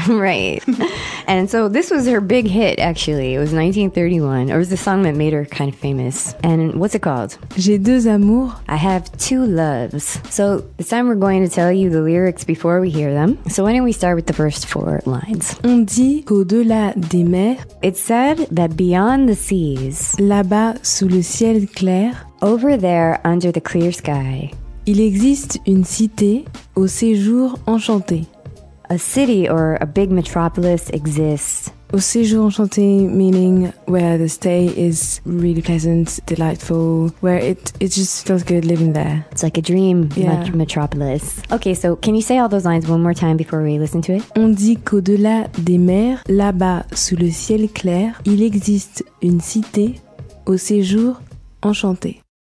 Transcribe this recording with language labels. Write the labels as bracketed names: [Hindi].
[English] Right. And so this was her big hit, actually. It was 1931, or it was the song that made her kind of famous. And what's it called? [French] J'ai deux amours. [English] I have two loves. So this time we're going to tell you the lyrics before we hear them. So why don't we start with the first four lines? [French] On dit qu'au-delà des mers. [English] It's said that beyond the seas. [French] Là-bas sous le ciel clair. [English] Over there under the clear sky. [French] Il existe une cité au séjour enchanté. [English] A city or a big metropolis exists. [French] Au séjour enchanté, [English] meaning where the stay is really pleasant, delightful, where it just feels good living there. It's like a dream metropolis. Okay, so can you say all those lines one more time before we listen to it? [French] On dit qu'au-delà des mers, là-bas sous le ciel clair, il existe une cité au séjour enchanté.